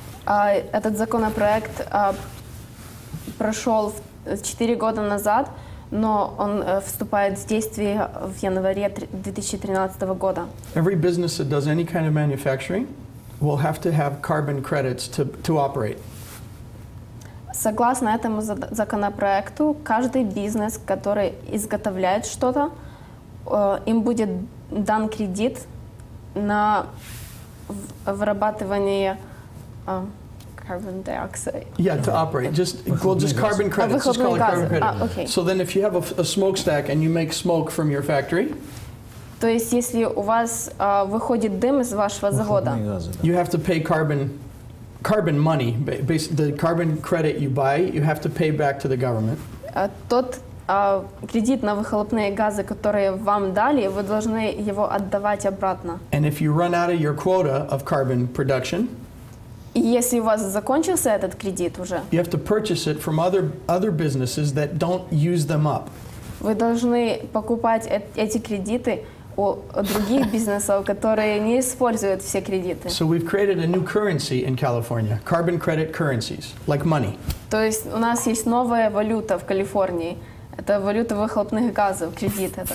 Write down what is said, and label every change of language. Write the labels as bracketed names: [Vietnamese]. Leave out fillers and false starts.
[Russian] Этот законопроект прошел 4 года назад, но он вступает в действие в январе 2013 года. [English] Every business that does any kind of manufacturing will have to have carbon credits to operate. [Russian] Согласно этому законопроекту, каждый бизнес, который изготовляет что-то, им будет дан кредит на вырабатывание carbon dioxide. [English] Yeah, to operate. Just carbon credits. Just call it carbon credit. Okay. So then if you have a smokestack and you make smoke from your factory, [Russian] то есть если у вас выходит дым из вашего завода, [English] you have to pay carbon money, basically the carbon credit you buy, you have to pay back to the government. [Russian] Тот кредит на выхлопные газы, которые вам дали, вы должны его отдавать обратно. [English] And if you run out of your quota of carbon production, [Russian] и если у вас закончился этот кредит уже, [English] you have to purchase it from other businesses that don't use them up. [Russian] Вы должны покупать эти кредиты у других бизнесов, которые не используют все кредиты. [English] So we've created a new currency in California, carbon credit currencies, like money. [Russian] То есть у нас есть новая валюта в Калифорнии. Это валюта выхлопных газов, кредит это.